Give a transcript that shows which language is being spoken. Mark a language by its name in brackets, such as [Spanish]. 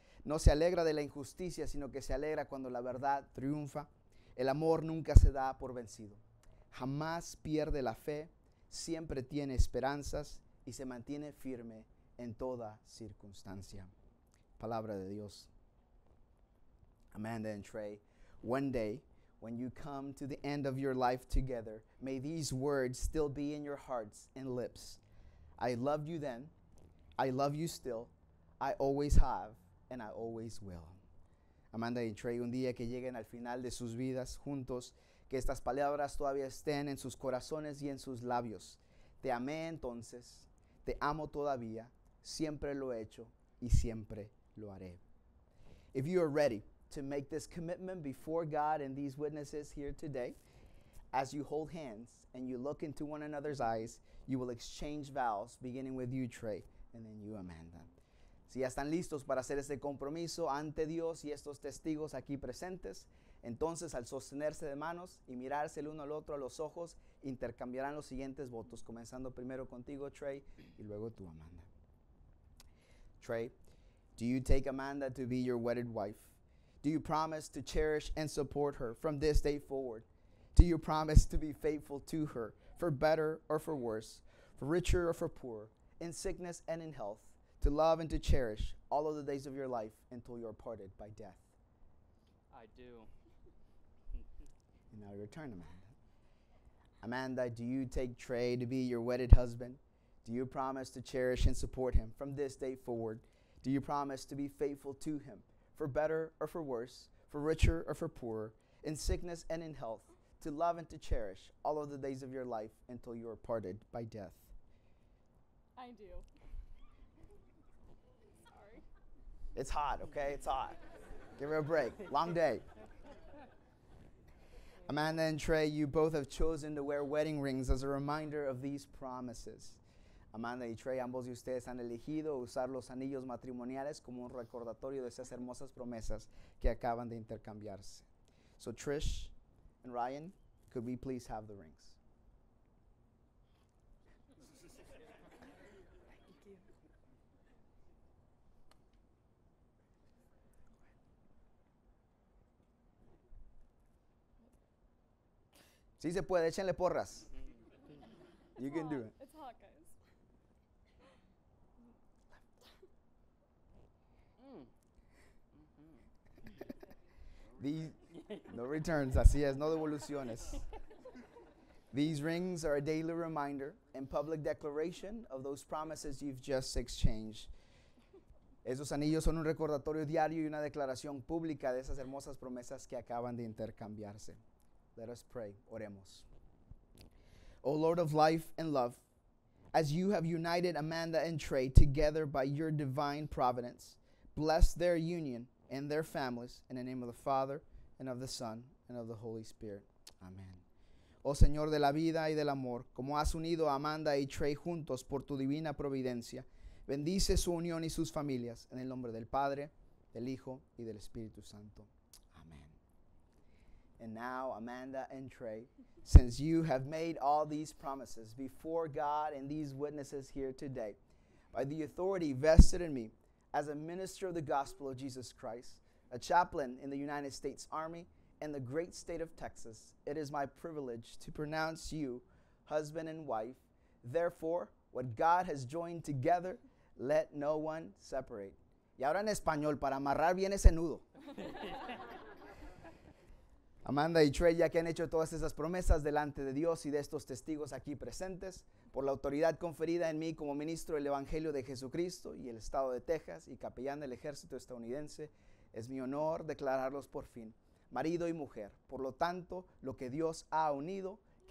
[Spanish] No se alegra de la injusticia, sino que se alegra cuando la verdad triunfa. El amor nunca se da por vencido. Jamás pierde la fe, siempre tiene esperanzas y se mantiene firme en toda circunstancia. Palabra de Dios. [English] Amanda and Trey, one day, when you come to the end of your life together, may these words still be in your hearts and lips. I loved you then, I love you still, I always have, and I always will. [Spanish] Amanda y Trey, un día que lleguen al final de sus vidas juntos, que estas palabras todavía estén en sus corazones y en sus labios. Te amé entonces, te amo todavía, siempre lo he hecho y siempre lo haré. [English] If you are ready to make this commitment before God and these witnesses here today, as you hold hands and you look into one another's eyes, you will exchange vows, beginning with you, Trey, and then you, Amanda. [Spanish] Si ya están listos para hacer este compromiso ante Dios y estos testigos aquí presentes, entonces al sostenerse de manos y mirarse el uno al otro a los ojos, intercambiarán los siguientes votos, comenzando primero contigo, Trey, y luego tú, Amanda. [English] Trey, do you take Amanda to be your wedded wife? Do you promise to cherish and support her from this day forward? Do you promise to be faithful to her for better or for worse, for richer or for poorer, in sickness and in health, to love and to cherish all of the days of your life until you are parted by death? I do. And now your turn, Amanda. Amanda, do you take Trey to be your wedded husband? Do you promise to cherish and support him from this day forward? Do you promise to be faithful to him for better or for worse, for richer or for poorer, in sickness and in health, to love and to cherish all of the days of your life until you are parted by death? I do. It's hot, okay? It's hot. Give her a break. Long day. Amanda and Trey, you both have chosen to wear wedding rings as a reminder of these promises. [Spanish] Amanda y Trey, ambos de ustedes han elegido usar los anillos matrimoniales como un recordatorio de esas hermosas promesas que acaban de intercambiarse. [English] So Trish and Ryan, could we please have the rings? [Spanish] Sí se puede, échenle porras. [English] You can do it. It's hot, guys. No returns, [Spanish] así es, no devoluciones. [English] These rings are a daily reminder and public declaration of those promises you've just exchanged. [Spanish] Esos anillos son un recordatorio diario y una declaración pública de esas hermosas promesas que acaban de intercambiarse. [English] Let us pray. [Spanish] Oremos. [English] O Lord of life and love, as you have united Amanda and Trey together by your divine providence, bless their union and their families in the name of the Father, and of the Son, and of the Holy Spirit. Amen. [Spanish] O Señor de la vida y del amor, como has unido a Amanda y Trey juntos por tu divina providencia, bendice su unión y sus familias en el nombre del Padre, del Hijo, y del Espíritu Santo. [English] And now, Amanda and Trey, since you have made all these promises before God and these witnesses here today, by the authority vested in me as a minister of the gospel of Jesus Christ, a chaplain in the United States Army and the great state of Texas, it is my privilege to pronounce you husband and wife. Therefore, what God has joined together, let no one separate. [Spanish] Y ahora en español, para amarrar bien ese nudo. Amanda y Trey, ya que han hecho todas esas promesas delante de Dios y de estos testigos aquí presentes, por la autoridad conferida en mí como ministro del Evangelio de Jesucristo y el Estado de Texas y capellán del ejército estadounidense, es mi honor declararlos por fin marido y mujer. Por lo tanto, lo que Dios ha unido, que